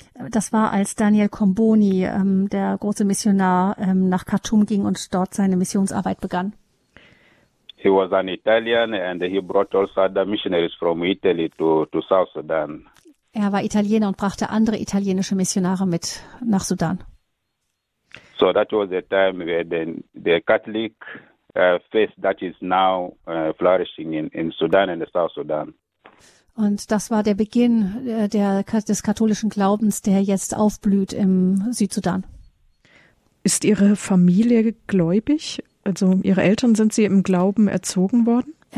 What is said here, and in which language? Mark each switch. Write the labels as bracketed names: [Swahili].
[German] Das war, als Daniel Comboni, der große Missionar, nach Khartoum ging und dort seine Missionsarbeit begann. [English] He was an Italian and he brought also other missionaries from Italy to South Sudan. [German] Er war Italiener und brachte andere italienische Missionare mit nach Sudan. [English] So that was the time where the Catholic faith that is now flourishing in Sudan and the South Sudan. [German] Und das war der Beginn des katholischen Glaubens, der jetzt aufblüht im Südsudan. Ist Ihre Familie gläubig? Also Ihre Eltern, sind Sie im Glauben erzogen worden?